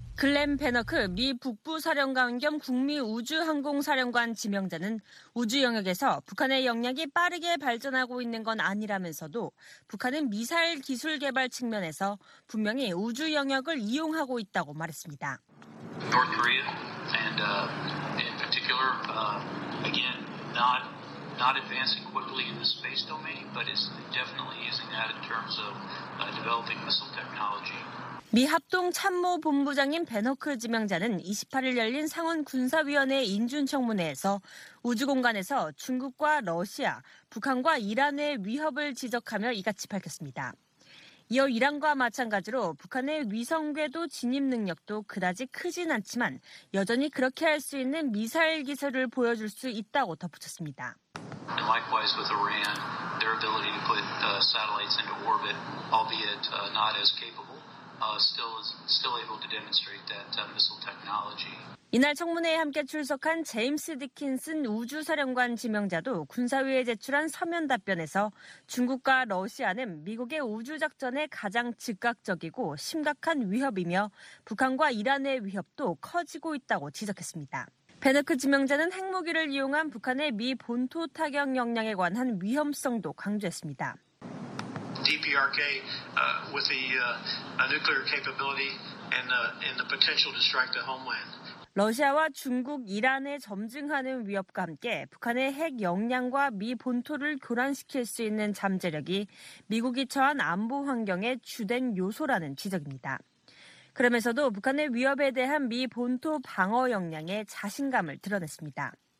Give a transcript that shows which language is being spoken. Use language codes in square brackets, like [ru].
[ko] 글렌 베너크 미 북부사령관 겸 국미우주항공사령관 지명자는 우주 영역에서 북한의 역량이 빠르게 발전하고 있는 건 아니라면서도 북한은 미사일 기술 개발 측면에서 분명히 우주 영역을 이용하고 있다고 말했습니다. [en] North Korea and in particular, again, not advancing quickly in the space domain. but it's definitely using that in terms of developing missile technology. [ko] 미 합동 참모 본부장인 베너크 지명자는 28일 열린 상원 군사위원회 인준 청문회에서 우주 공간에서 중국과 러시아, 북한과 이란의 위협을 지적하며 이같이 밝혔습니다. 이어 이란과 마찬가지로 북한의 위성 궤도 진입 능력도 그다지 크진 않지만 여전히 그렇게 할 수 있는 미사일 기술을 보여줄 수 있다고 덧붙였습니다. [en] And likewise with Iran, their ability to put satellites into orbit, albeit not as capable, still able to demonstrate that missile technology. [ko] 이날 청문회에 함께 출석한 제임스 디킨슨 우주사령관 지명자도 군사위에 제출한 서면 답변에서 중국과 러시아는 미국의 우주작전에 가장 즉각적이고 심각한 위협이며 북한과 이란의 위협도 커지고 있다고 지적했습니다. 베너크 지명자는 핵무기를 이용한 북한의 미 본토 타격 역량에 관한 위험성도 강조했습니다. [en] DPRK with the nuclear capability and the potential to strike the homeland. [ko] 러시아와 중국, 이란의 점증하는 위협과 함께 북한의 핵 역량과 미 본토를 교란시킬 수 있는 잠재력이 미국이 처한 안보 환경의 주된 요소라는 지적입니다. 그러면서도 북한의 위협에 대한 미 본토 방어 역량에 자신감을 드러냈습니다.